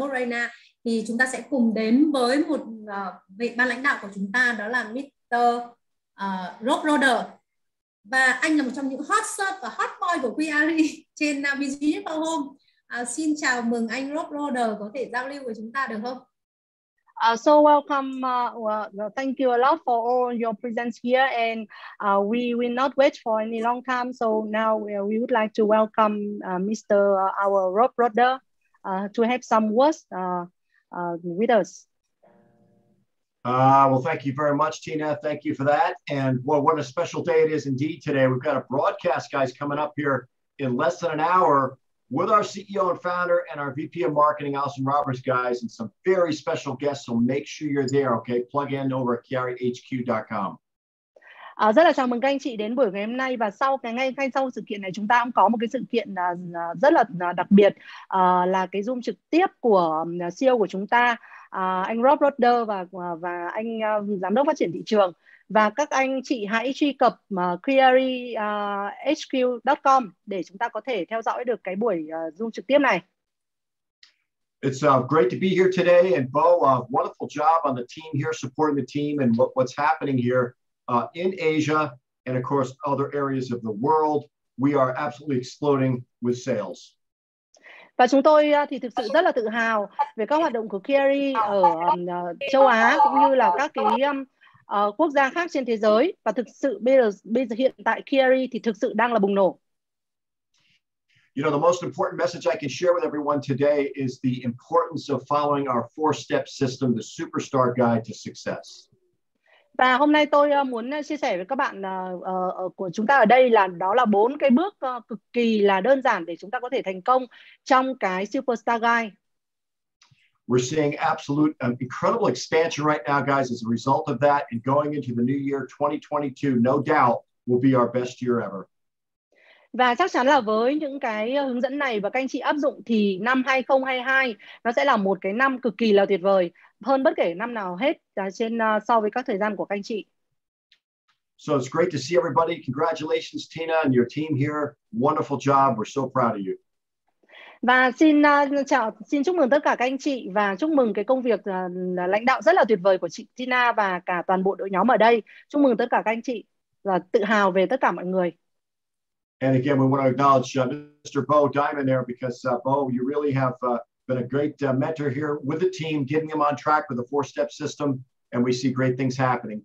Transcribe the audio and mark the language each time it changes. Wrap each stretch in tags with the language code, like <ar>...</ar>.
<vi>Borena, thì chúng ta sẽ cùng đến với một vị ban lãnh đạo của chúng ta, đó là Mr. Rob Rodder. Và anh là một trong những hot search và hot boy của Quiary trên Business Power Home. Xin chào mừng anh Rob Rodder, có thể giao lưu với chúng ta được không?</vi> <en>So welcome, thank you a lot for all your presence here, and we will not wait for any long time. So now we would like to welcome Mr. Our Rob Rodder to have some words with us. Well, thank you very much, Tina. Thank you for that. And well, what a special day it is indeed today. We've got a broadcast, guys, coming up here in less than an hour with our CEO and founder and our VP of marketing, Allison Roberts, guys, and some very special guests. So make sure you're there, okay? Plug in over at kiarihq.com.</en> <vi>Rất là chào mừng các anh chị đến buổi ngày hôm nay, và sau cái ngay sau sự kiện này chúng ta cũng có một cái sự kiện rất là đặc biệt, là cái Zoom trực tiếp của CEO của chúng ta, anh Rob Rodder và anh giám đốc phát triển thị trường. Và các anh chị hãy truy cập kiarihq.com để chúng ta có thể theo dõi được cái buổi Zoom trực tiếp này.</vi> <en>It's great to be here today, and Bo, wonderful job on the team here, supporting the team and what's happening here in Asia and of course other areas of the world. We are absolutely exploding with sales.</en> <vi>Và chúng tôi thì thực sự rất là tự hào về các hoạt động của Kiary ở châu Á cũng như là các cái quốc gia khác trên thế giới, và thực sự bây giờ hiện tại Kiary thì thực sự đang là bùng nổ.</vi> <en>You know, the most important message I can share with everyone today is the importance of following our four-step system, the Superstar Guide to Success.</en> <vi>Và hôm nay tôi muốn chia sẻ với các bạn của chúng ta ở đây là đó là bốn cái bước cực kỳ là đơn giản để chúng ta có thể thành công trong cái Superstar Guide.</vi> <en>We're seeing absolute incredible expansion right now, guys, as a result of that, and going into the new year 2022, no doubt will be our best year ever.</en> <vi>Và chắc chắn là với những cái hướng dẫn này và các anh chị áp dụng thì năm 2022 nó sẽ là một cái năm cực kỳ là tuyệt vời, hơn bất kể năm nào hết trên so với các thời gian của các anh chị.</vi> <en>So it's great to see everybody. Congratulations, Tina, and your team here. Wonderful job. We're so proud of you.</en> <vi>Và xin chúc mừng tất cả các anh chị và chúc mừng cái công việc lãnh đạo rất là tuyệt vời của chị Tina và cả toàn bộ đội nhóm ở đây. Chúc mừng tất cả các anh chị và tự hào về tất cả mọi người.</vi> <en>And again, we want to acknowledge Mr. Bo Diamond there, because Bo, you really have been a great mentor here with the team, getting them on track with the four-step system, and we see great things happening.</en>